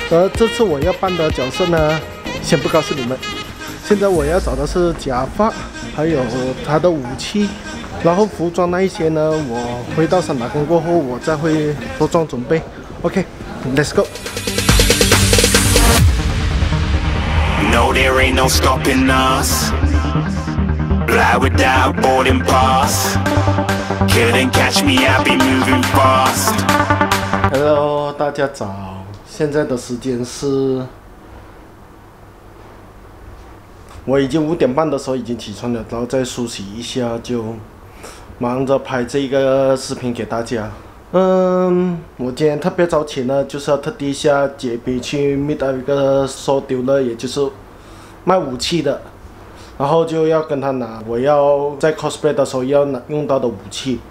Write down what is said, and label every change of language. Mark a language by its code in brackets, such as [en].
[zh] 而这次我要扮的角色呢，先不告诉你们。现在我要找的是假发，还有他的武器，然后服装那一些呢，我回到山打工过后，我再会着装准备。 [en] OK，Let's go。 No, there ain't no stopping us. Fly without boarding pass. Couldn't catch me, I'll be moving fast. [zh] Hello, 大家早。现在的时间是，我已经5:30的时候已经起床了，然后再梳洗一下，就忙着拍这个视频给大家。我今天特别早起呢，就是要特地下结冰去 meet 到一个 sword dealer， 也就是卖武器的，然后就要跟他拿我要在 cosplay 的时候要用到的武器。